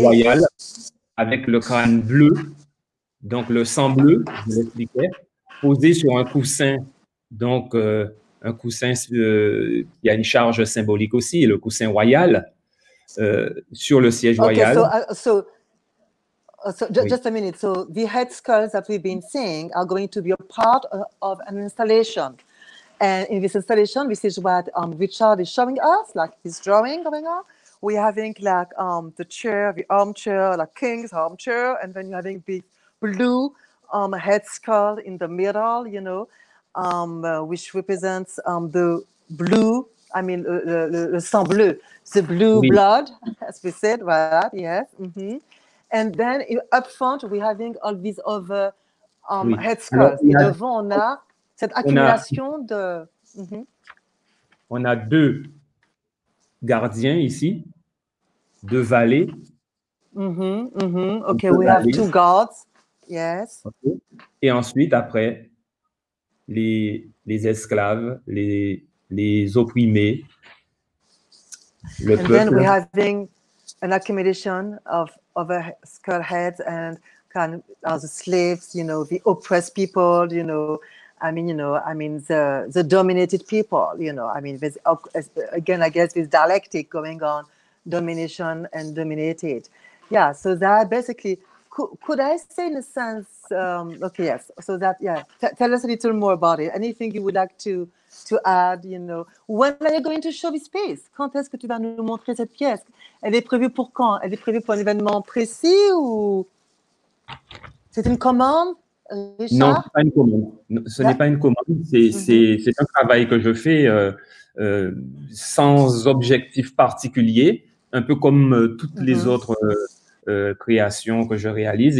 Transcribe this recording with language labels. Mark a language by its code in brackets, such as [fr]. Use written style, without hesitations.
[fr] royal avec le crâne bleu, donc le sang bleu, je l'expliquais, posé sur un coussin, donc un coussin qui a une charge symbolique aussi, le coussin royal. Sur le siège [en] Okay, [fr] royal. [en] so just a minute. So the head skulls that we've been seeing are going to be a part of an installation. And in this installation, this is what Richard is showing us, like his drawing going on. We're having like the chair, the armchair, like king's armchair, and then you're having big blue head skull in the middle, which represents the blue. I mean, [fr] le sang bleu, [en] the blue blood, as we said, right? Yes. And then up front, we're having all these other head skulls. [fr] Et devant, on a cette accumulation de. on a deux gardiens ici, deux valets, [en] OK, [fr] deux [en] we have two guards. Yes. [fr] valets. Okay. Et ensuite, après, les esclaves, les opprimés, le [en] And then [fr] peuple. [en] we're having an accumulation of other skull heads and kind of the slaves, the oppressed people, I mean the dominated people, I mean there's again I guess this dialectic going on, domination and dominated. Yeah, so that basically could I say in a sense, okay, yes. So that, yeah, tell us a little more about it. Anything you would like to add, you know. When are you going to show this piece? [fr] Quand est-ce que tu vas nous montrer cette pièce? Elle est prévue pour quand? Elle est prévue pour un événement précis ou... C'est une commande, Richard? Non, ce n'est pas une commande. Ce n'est pas une commande. C'est un travail que je fais sans objectif particulier, un peu comme toutes les autres créations que je réalise.